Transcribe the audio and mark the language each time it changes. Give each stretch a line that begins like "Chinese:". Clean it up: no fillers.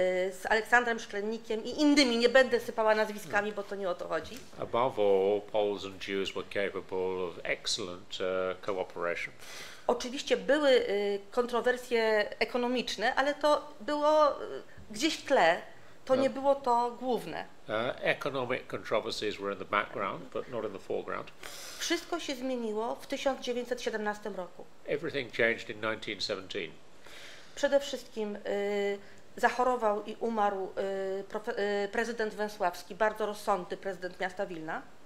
Polish: z Aleksandrem Szklennikiem i innymi, nie będę sypała nazwiskami, bo to nie o to chodzi.
English: Above all, Poles and Jews were capable of excellent cooperation.
Polish: Oczywiście były kontrowersje ekonomiczne, ale to było gdzieś w tle, to nie było to główne.
English: Economic controversies were in the background, but not in the foreground.
Polish: Wszystko się zmieniło w 1917 roku.
English: Everything changed in 1917.
Polish: Przede wszystkim zachorował i umarł prezydent Węsławski, bardzo rozsądny prezydent miasta Wilna.